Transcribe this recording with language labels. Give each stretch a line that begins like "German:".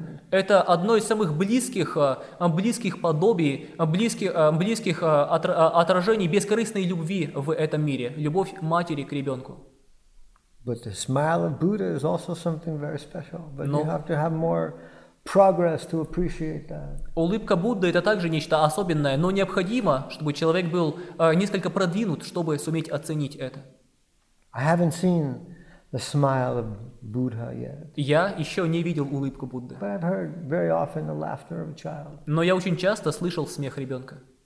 Russian: Это одно из самых близких отражений бескорыстной любви в этом мире – любовь матери к ребенку.
English: But the smile of Buddha is also something very special. But you have to have more progress to appreciate that.
Russian: Улыбка Будды — это также нечто особенное, но необходимо, чтобы человек был несколько продвинут, чтобы суметь оценить это.
English: I haven't seen the smile of Buddha yet.
Russian: Я еще не видел улыбку Будды.
English: But I've heard very often the laughter of a child.
Russian: Но я очень часто слышал смех ребенка.